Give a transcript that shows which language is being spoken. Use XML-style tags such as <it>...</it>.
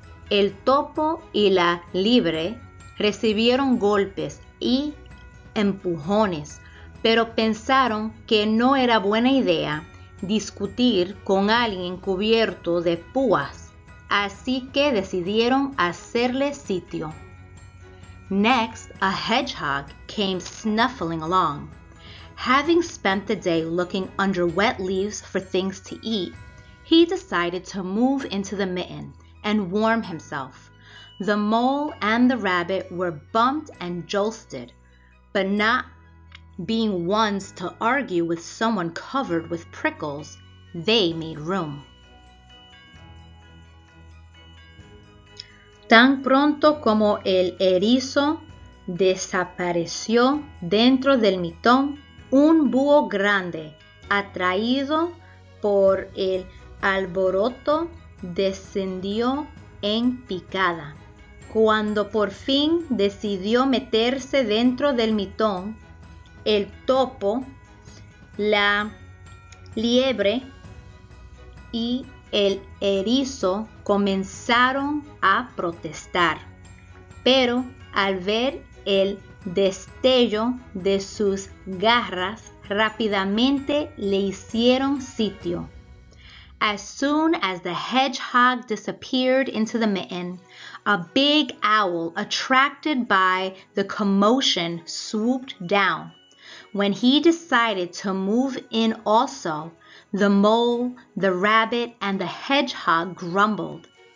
<es>El topo y la liebre recibieron golpes y empujones, pero pensaron que no era buena idea discutir con alguien cubierto de púas, así que decidieron hacerle sitio.</es> <en>Next, a hedgehog came snuffling along. Having spent the day looking under wet leaves for things to eat, he decided to move into the mitten and warm himself. The mole and the rabbit were bumped and jolted, but not being ones to argue with someone covered with prickles, they made room.</en> <es>Tan pronto como el erizo desapareció dentro del mitón, un búho grande, atraído por el alboroto, descendió en picada. Cuando por fin decidió meterse dentro del mitón, el topo, la liebre y el erizo comenzaron a protestar, pero al ver el destello de sus garras, rápidamente le hicieron sitio.</es> <en>As soon as the hedgehog disappeared into the mitten, a big owl, attracted by the commotion, swooped down. When he decided to move in also, the mole, the rabbit, and the hedgehog grumbled.</en>